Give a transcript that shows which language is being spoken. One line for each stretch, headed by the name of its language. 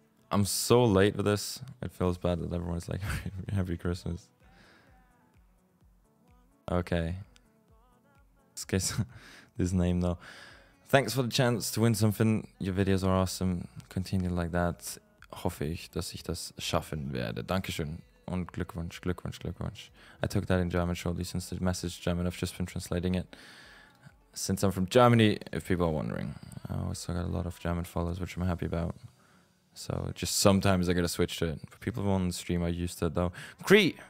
English: I'm so late with this. It feels bad that everyone's like, happy Christmas. Okay. In this case, this name though. Thanks for the chance to win something. Your videos are awesome. Continue like that.
German: Hoffe ich, dass ich das schaffen werde. Dankeschön. Und Glückwunsch, Glückwunsch, Glückwunsch.
English: I took that in German shortly since the message German. I've just been translating it. Since I'm from Germany, if people are wondering. I also got a lot of German followers, which I'm happy about. So just sometimes I gotta switch to it. For people who are on the stream, I used to though. Cree!